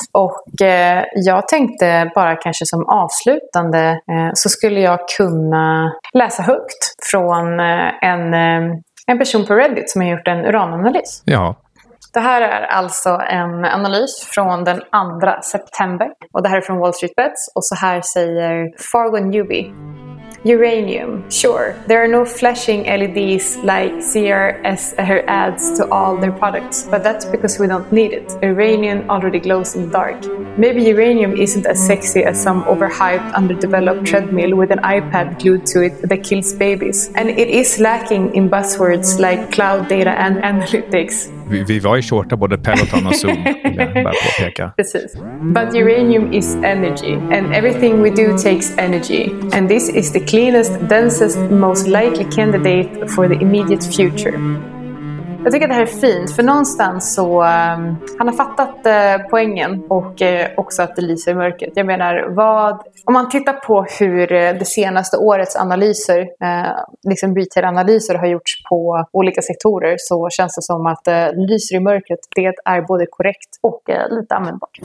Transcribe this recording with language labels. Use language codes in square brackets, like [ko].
[sv] Och jag tänkte bara kanske som avslutande så skulle jag kunna läsa högt från en person på Reddit som har gjort en urananalys. Ja. Det här är alltså en analys från den 2 september. Och det här är från Wall Street Bets. Och så här säger Fargo Newby: [en] Uranium, sure. There are no flashing LEDs like CRSR adds to all their products, but that's because we don't need it. Uranium already glows in the dark. Maybe uranium isn't as sexy as some overhyped, underdeveloped treadmill with an iPad glued to it that kills babies. And it is lacking in buzzwords like cloud data and analytics. [sv] Vi var ju shorta både Peloton och Zoom, bara påpeka. Precis. [en] But uranium is energy, and everything we do takes energy. And this is the cleanest, densest, most likely candidate for the immediate future. [sv] Jag tycker att det här är fint, för någonstans så han har fattat poängen, och också att det lyser i mörkret. Jag menar, om man tittar på hur det senaste årets analyser, liksom retail-analyser har gjorts på olika sektorer, så känns det som att lyser i mörkret, det är både korrekt och lite användbart.